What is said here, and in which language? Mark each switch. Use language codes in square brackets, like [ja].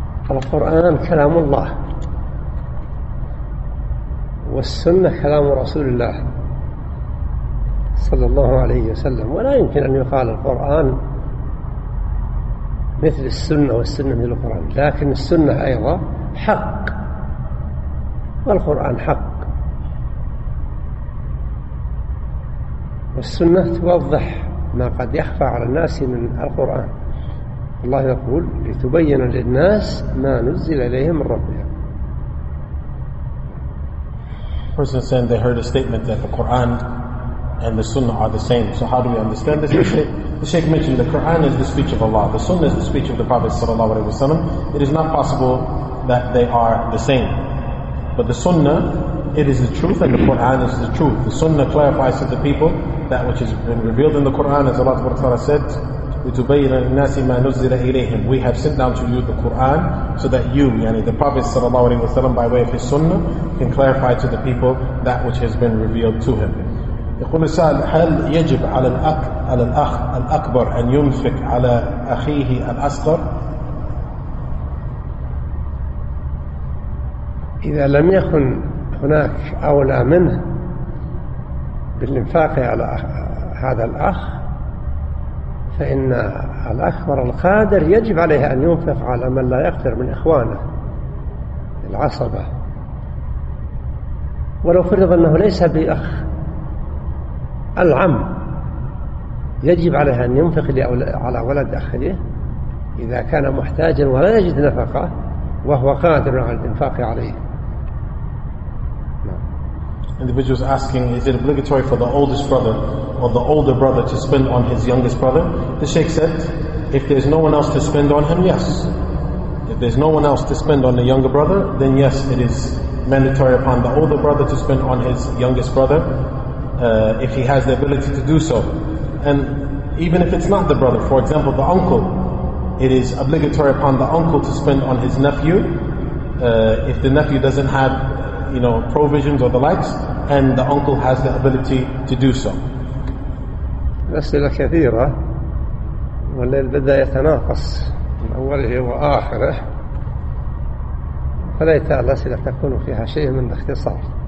[ar] القرآن كلام الله والسنة كلام رسول الله صلى الله عليه وسلم، ولا يمكن أن يقال القرآن مثل السنة والسنة مثل القرآن، لكن السنة أيضا حق والقرآن حق، والسنة توضح ما قد يخفى على الناس من القرآن. الله يقول لتبين للناس ما نزل إليهم من ربهم. [en] Person saying they heard a statement that the Quran and the Sunnah are the same. So how do we understand this? The Sheikh mentioned the Quran is the speech of Allah. The Sunnah is the speech of the Prophet sallallahu alaihi wasallam. It is not possible that they are the same. But the Sunnah, it is the truth, and the Quran is the truth. The Sunnah clarifies to the people that which has been revealed in the Quran, as Allah Ta'ala said, [ar] لِتُبَيِّنَ النَّاسِ مَا نُزِّلَ إِلَيْهِمْ. [en] We have sent down to you the Quran so that you, yani the Prophet sallallahu alaihi wasallam, by way of his Sunnah, can clarify to the people that which has been revealed to him. [ar] يقول السائل هل يجب على الأخ الأكبر أن ينفق على أخيه الأصغر؟ إذا لم يكن هناك أولى منه بالإنفاق على هذا الأخ، فإن الأكبر القادر يجب عليه أن ينفق على من لا يقدر من إخوانه العصبة. ولو فرض أنه ليس بأخ، العم يجب عليه أن ينفق على ولد أخيه إذا كان محتاجا ولا يجد نفقة وهو قادر على الإنفاق عليه. [en] Individuals asking, is it obligatory for the oldest brother or the older brother to spend on his youngest brother? The Sheikh said, if there's no one else to spend on him, yes. If there's no one else to spend on the younger brother, then yes, it is mandatory upon the older brother to spend on his youngest brother if he has the ability to do so. And even if it's not the brother, for example, the uncle, it is obligatory upon the uncle to spend on his nephew if the nephew doesn't have, you know, provisions or the likes, and the uncle has the ability to do so. [ar] الأسئلة كثيرة والليل بدأ يتناقص من أوله وآخره، فليت الأسئلة تكون فيها شيء من الاختصار.